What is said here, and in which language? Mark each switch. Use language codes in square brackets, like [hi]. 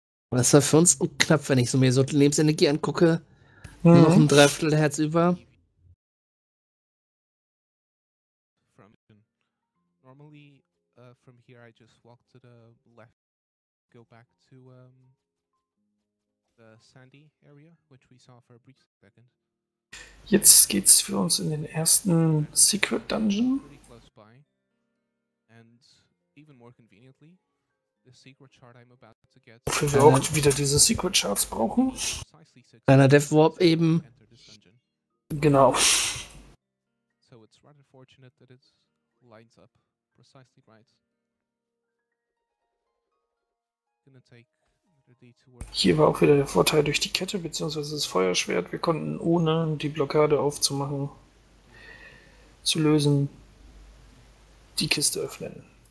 [de] Das war für uns knapp, wenn ich so mir so die Lebensenergie angucke. Mhm. Noch ein Dreiviertel Herz über. [en] Normally, from here I just walk to the left, go back to the sandy area, which we saw for a brief second. [de] Jetzt geht's für uns in den ersten Secret Dungeon. [en] And even more conveniently, the secret chart I'm about to get. [de] Wofür wir auch wieder diese Secret Charts brauchen. Deiner Death Warp eben. Genau. [en] So it's rather fortunate that it lines up precisely right. Gonna take [de] Hier war auch wieder der Vorteil durch die Kette bzw. das Feuerschwert. Wir konnten, ohne die Blockade aufzumachen, zu lösen, die Kiste öffnen.